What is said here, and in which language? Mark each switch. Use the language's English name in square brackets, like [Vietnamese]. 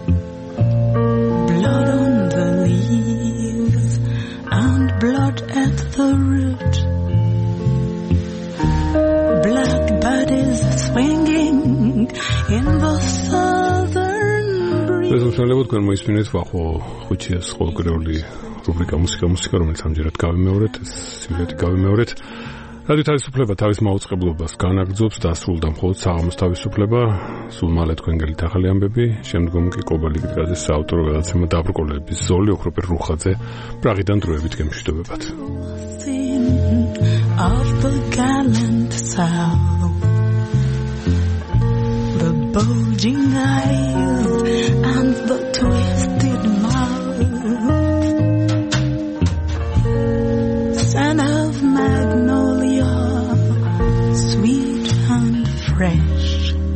[English] Blood on the leaves and blood at the root. Black bodies swinging in the southern breeze. [Georgian] Ეს უშუალოდ თქვენ მოისმინეთ ვახო ხუჩიას ყოველკვირეული რუბრიკა მუსიკა, რომელიც ამჯერად გავიმეორეთ, სიმღერით გავიმეორეთ. რადიო თავისუფლება თავის მაუწყებლობას განაგძობს და სრულ და მხოლოდ საღამოს თავისუფლება. სულ მალე თქვენგელით ახალი ამბები, შემდგომ კი კობალი გიტრაძის საავტორო გადაცემა დაბრკოლების ზოლი ოქროპირ რუხაძე პრაღიდან დროებით გემშვიდობებათ. [English] Of the gallant south, the bulging eyes and the twisted mouth, son of magnolia, sweet and fresh.